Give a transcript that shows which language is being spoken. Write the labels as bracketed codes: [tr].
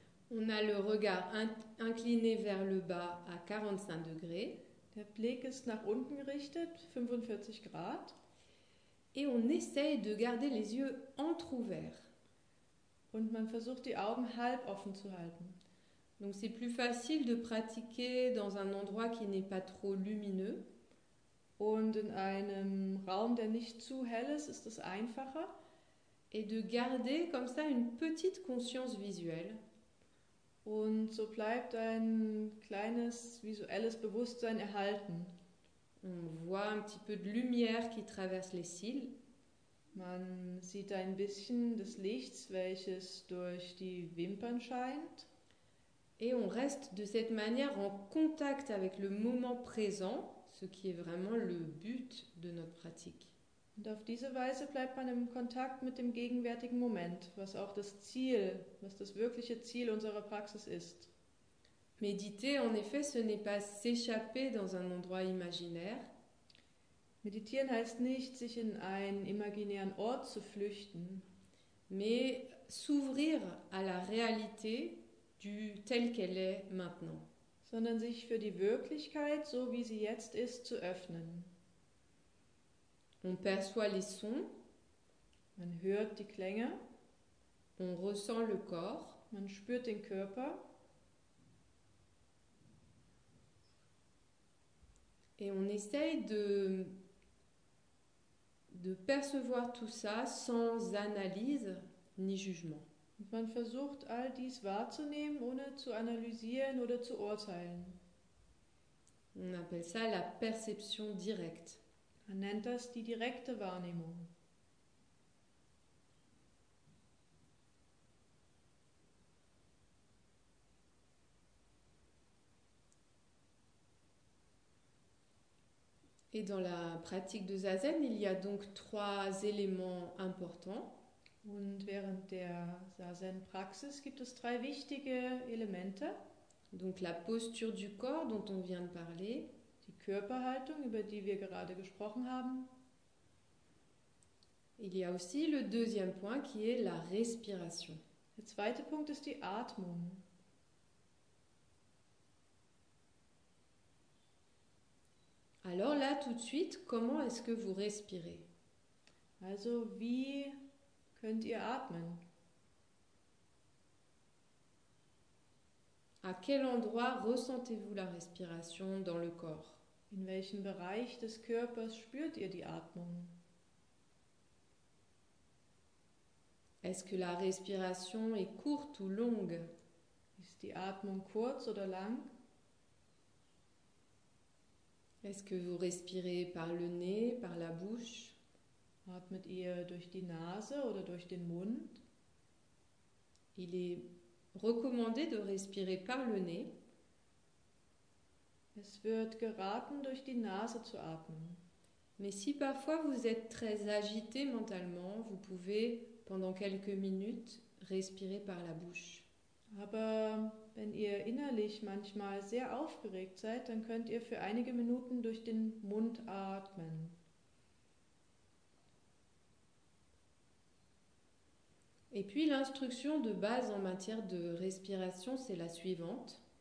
[fr] On a le regard incliné vers le bas à 45 degrés. [de] Der Blick ist nach unten gerichtet, 45 Grad. [fr] Et on essaye de garder les yeux entrouverts. [de] Und man versucht, die Augen halb offen zu halten. [fr] Donc c'est plus facile de pratiquer dans un endroit qui n'est pas trop lumineux. [de] Und in einem Raum, der nicht zu hell ist, ist es einfacher. [fr] Et de garder comme ça une petite conscience visuelle. [de] Und so bleibt ein kleines visuelles Bewusstsein erhalten. [fr] On voit un petit peu de lumière qui traverse les cils. [de] Man sieht ein bisschen des Lichts, welches durch die Wimpern scheint. [fr] Et on reste de cette manière en contact avec le moment présent, ce qui est vraiment le but de notre pratique. [de] Und auf diese Weise bleibt man im Kontakt mit dem gegenwärtigen Moment, was auch das Ziel, was das wirkliche Ziel unserer Praxis ist. [fr] Méditer, en effet, ce n'est pas s'échapper dans un endroit imaginaire. [de] Meditieren heißt nicht, sich in einen imaginären Ort zu flüchten, [fr] mais s'ouvrir à la réalité du tel qu'elle est maintenant. [de] Sondern sich für die Wirklichkeit, so wie sie jetzt ist, zu öffnen. [fr] On perçoit les sons. [de] Man hört die Klänge. [fr] On ressent le corps. [de] Man spürt den Körper. [fr] Et on essaye de percevoir tout ça sans analyse ni jugement. [de] Und man versucht, all dies wahrzunehmen, ohne zu analysieren oder zu urteilen. [fr] On appelle ça la perception directe. [de] Man nennt das die direkte Wahrnehmung. [fr] Et dans la pratique de Zazen, il y a donc trois éléments importants. [de] Und während der Zazen-Praxis gibt es drei wichtige Elemente. [fr] Donc la posture du corps, dont on vient de parler. [de] Die Körperhaltung, über die wir gerade gesprochen haben. [fr] Il y a aussi le deuxième point, qui est la respiration. [de] Der zweite Punkt ist die Atmung. [fr] Alors là, tout de suite, comment est-ce que vous respirez? [de] Also, wie könnt ihr atmen? [fr] À quel endroit ressentez-vous la respiration dans le corps? [de] In welchem Bereich des Körpers spürt ihr die Atmung? [fr] Est-ce que la respiration est courte ou longue? [de] Ist die Atmung kurz oder lang? [fr] Est-ce que vous respirez par le nez, par la bouche? [de] Atmet ihr durch die Nase oder durch den Mund? [fr] Il est recommandé de respirer par le nez. [de] Es wird geraten, durch die Nase zu atmen. [fr] Mais si parfois vous êtes très agité mentalement, vous pouvez pendant quelques minutes respirer par la bouche. [de] Aber wenn ihr innerlich manchmal sehr aufgeregt seid, dann könnt ihr für einige Minuten durch den Mund atmen. [fr] Et puis l'instruction de base en matière de respiration, c'est la suivante.